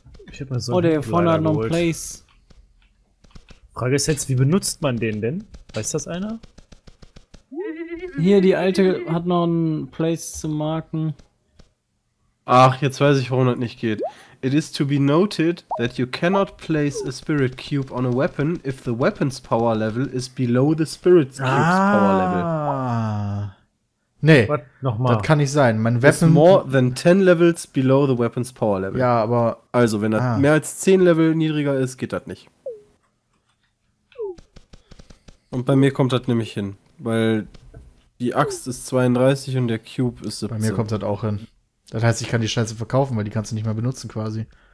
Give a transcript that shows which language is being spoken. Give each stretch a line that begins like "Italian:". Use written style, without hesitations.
German: Ich hab mal so. Oh, der hier vorne hat noch ein Place. Frage ist jetzt, wie benutzt man den denn? Weiß das einer? Hier, die alte hat noch ein Place zu marken. Ach, jetzt weiß ich, warum das nicht geht.
English: It is to be noted that you cannot place a spirit cube on a weapon if the weapon's power level is below the spirit cube's power level.
German: Nee, nochmal. Das kann nicht sein. Mein Weapon
English: is more than 10 levels below the weapon's power level.
German: Ja, aber also, wenn das mehr als 10 Level niedriger ist, geht das nicht. Und bei mir kommt das nämlich hin, weil die Axt ist 32 und der Cube ist 17. Bei mir kommt das auch hin. Das heißt, ich kann die Scheiße verkaufen, weil die kannst du nicht mehr benutzen, quasi.